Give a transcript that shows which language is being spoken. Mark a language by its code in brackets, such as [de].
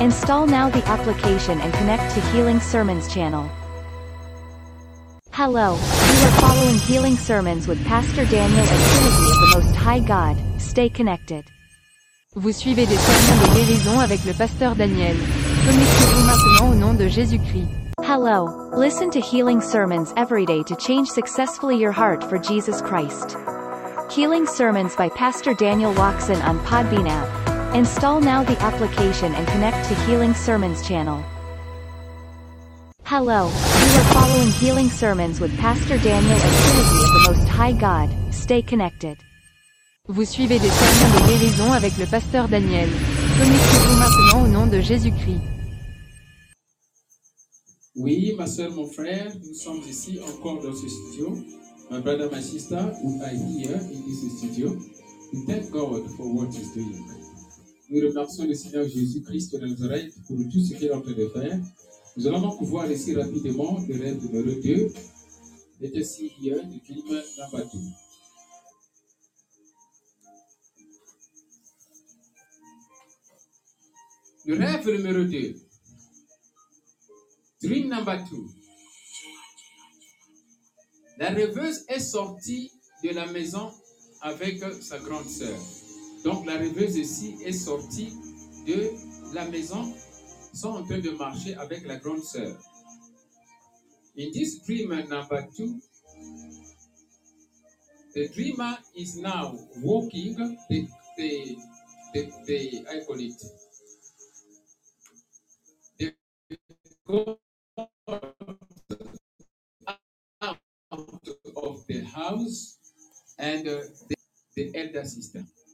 [en] Install now the application and connect to Healing Sermons channel. Hello. You are following Healing Sermons with Pastor Daniel and Trinity of the Most High God. Stay connected. [fr] Vous suivez des sermons de guérison avec le Pasteur Daniel. Connectez-vous maintenant au nom de Jésus-Christ. [en] Hello. Listen to healing sermons every day to change successfully your heart for Jesus Christ. Healing sermons by Pastor Daniel Watson on Podbean app. Install now the application and connect to Healing Sermons channel. Hello. You are following Healing Sermons with Pastor Daniel and Trinity of the Most High God. Stay connected. [fr] Vous suivez des sermons de guérison avec le Pasteur Daniel. Connectez-vous maintenant au nom de Jésus-Christ. Oui, ma soeur, mon frère, nous sommes ici encore dans ce studio. [en] My brother, my sister, we are here in this studio. We thank God for what he's doing. [fr] Nous remercions le Seigneur Jésus-Christ de Nazareth pour tout ce qu'il est en train de faire. Nous allons donc voir ici rapidement le rêve numéro 2. [en] Let us see here the dream number two. [fr] Le rêve numéro 2. [en] Dream number 2. [fr] La rêveuse est sortie de la maison avec sa grande sœur. Donc la rêveuse ici est sortie de la maison, sont en train de marcher avec la grande sœur. [en] In this dream number 2, the dreamer is now walking the I call it. Out of the house and the elder sister.